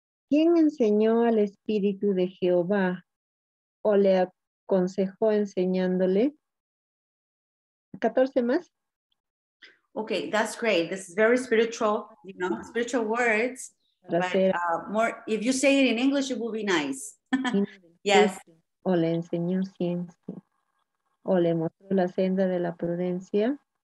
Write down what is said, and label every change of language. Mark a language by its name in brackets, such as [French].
[Spanish] ¿Quién enseñó al Espíritu de Jehová o le aconsejó enseñándole? 14 más. [English] Okay, that's great. This is very spiritual, you know, spiritual words. [Spanish] Trasera. [English] But more, if you say it in English, it will be nice. Yes. [Spanish] O le enseñó ciencia. O le mostró la senda de la prudencia.